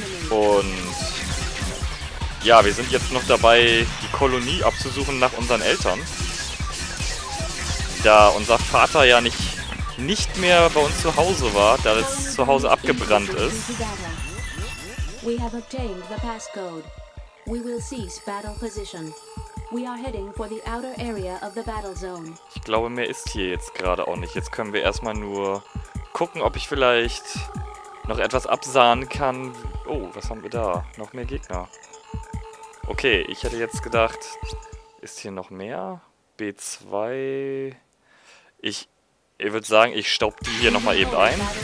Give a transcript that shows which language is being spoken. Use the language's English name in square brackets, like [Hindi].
[German] Und ja, wir sind jetzt noch dabei, die Kolonie abzusuchen nach unseren Eltern. Da unser Vater ja nicht mehr bei uns zu Hause war, da das Zuhause abgebrannt ist. [English] We have obtained the passcode. We will cease battle position. We are heading for the outer area of the battle zone. [German] Ich glaube, mehr ist hier jetzt gerade auch nicht. Jetzt können wir erstmal nur gucken, ob ich vielleicht noch etwas absahen kann. Oh, was haben wir da? Noch mehr Gegner. Okay, ich hätte jetzt gedacht, ist hier noch mehr? B2. Ich würde sagen, ich staub die hier nochmal eben ein.